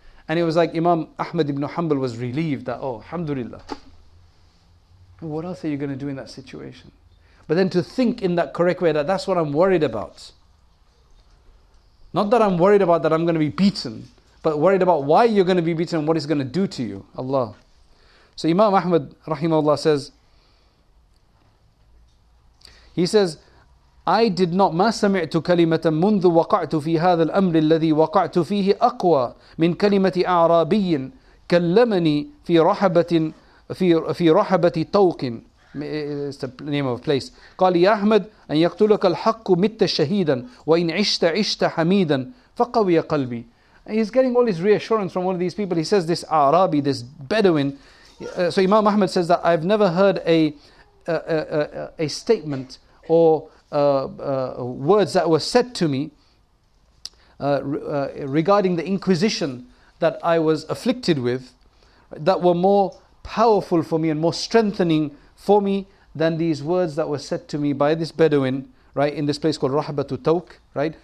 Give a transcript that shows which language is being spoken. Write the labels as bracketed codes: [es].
[en] And it was like Imam Ahmad ibn Hanbal was relieved that, oh, alhamdulillah. What else are you going to do in that situation? But then to think in that correct way that that's what I'm worried about. Not that I'm worried about that I'm going to be beaten, but worried about why you're going to be beaten and what it's going to do to you. Allah. So Imam Ahmad, rahimahullah, says, he says, I did not [ar] ما سمعت كلمة منذ وقعت في هذا الأمر الذي وقعت فيه أقوى من كلمة أعرابي كلمني في رحبة في رحبة طوق. [en] It's the name of a place. [ar] قال يا أحمد أن يقتلك الحق مت شهيدا وإن عشت عشت حميدا فقوي قلبي. [en] He's getting all his reassurance from all of these people. He says this Arabi, this Bedouin. So Imam Ahmad says that I've never heard a statement or words that were said to me regarding the Inquisition that I was afflicted with that were more powerful for me and more strengthening for me than these words that were said to me by this Bedouin, right, in this place called Rahbatu Tawq, right?